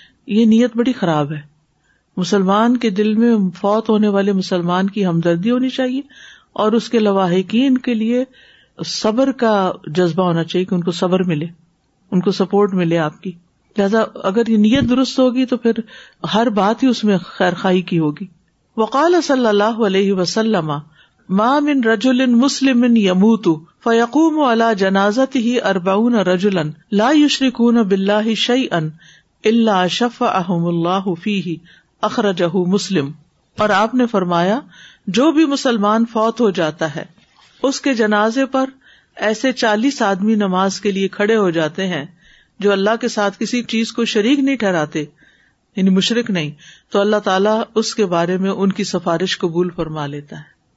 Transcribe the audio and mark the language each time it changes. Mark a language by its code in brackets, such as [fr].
[ur] یہ نیت بڑی خراب ہے. مسلمان کے دل میں فوت ہونے والے مسلمان کی ہمدردی ہونی چاہیے اور اس کے لواحقین کے لیے صبر کا جذبہ ہونا چاہیے کہ ان کو صبر ملے, ان کو سپورٹ ملے آپ کی. لہذا اگر یہ نیت درست ہوگی تو پھر ہر بات ہی اس میں خیرخواہی کی ہوگی. [ar] وقال صلی اللہ علیہ وسلم ما من رجل مسلم يموت فيقوم على جنازته 40 رجلا لا يشركون بالله شيئا الا شفعهم الله فيه اخرجہ مسلم. [ur] اور آپ نے فرمایا جو بھی مسلمان فوت ہو جاتا ہے اس کے جنازے پر ایسے 40 آدمی نماز کے لیے کھڑے ہو جاتے ہیں جو اللہ کے ساتھ کسی چیز کو شریک نہیں ٹھہراتے, یعنی مشرک نہیں, تو اللہ تعالیٰ اس کے بارے میں ان کی سفارش قبول فرما لیتا ہے.